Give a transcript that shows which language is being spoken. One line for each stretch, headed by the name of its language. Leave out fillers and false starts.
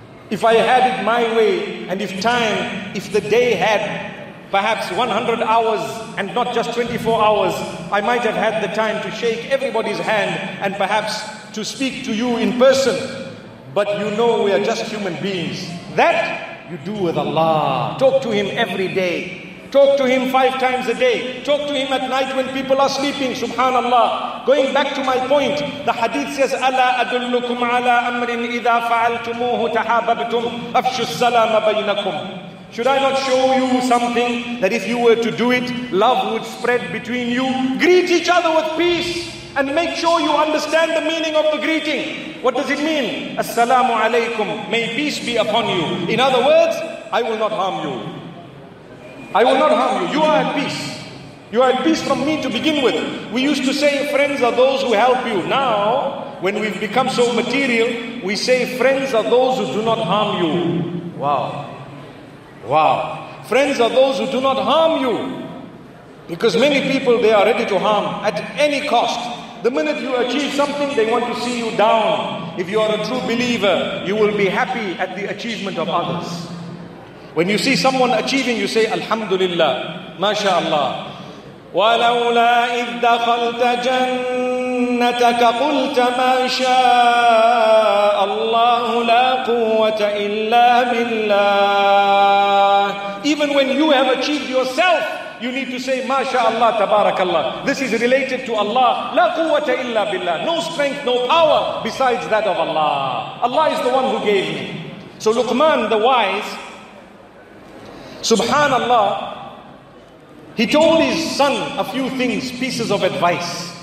English: If I had it my way, and if time, if the day had perhaps 100 hours and not just 24 hours, I might have had the time to shake everybody's hand and perhaps to speak to you in person. But you know, we are just human beings. That you do with Allah. Talk to Him every day. Talk to Him 5 times a day. Talk to Him at night when people are sleeping. Subhanallah. Going back to my point, the hadith says,
Arabic: أَلَا أَدُلُّكُمْ عَلَىٰ أَمْرٍ إِذَا فَعَلْتُمُوهُ تَحَابَبْتُمْ أَفْشُ السَّلَامَ بَيْنَكُمْ.
English: Should I not show you something that if you were to do it, love would spread between you? Greet each other with peace and make sure you understand the meaning of the greeting. What does it mean? Assalamu alaikum. May peace be upon you. In other words, I will not harm you. I will not harm you. You are at peace. You are at peace from me to begin with. We used to say friends are those who help you. Now, when we've become so material, we say friends are those who do not harm you. Wow. Wow. Friends are those who do not harm you. Because many people, they are ready to harm at any cost. The minute you achieve something, they want to see you down. If you are a true believer, you will be happy at the achievement of others. When you see someone achieving, you say, Alhamdulillah, MashaAllah.
Arabic: ولولا إذ دخلت جنتك قلت ما شاء الله لا قوة إلا بالله.
English: Even when you have achieved yourself, you need to say, MashaAllah, Tabarakallah. This is related to Allah.
Arabic: لا قوة إلا بالله.
English: No strength, no power besides that of Allah. Allah is the one who gave me. So Luqman the wise, Subhanallah, he told his son a few things, pieces of advice.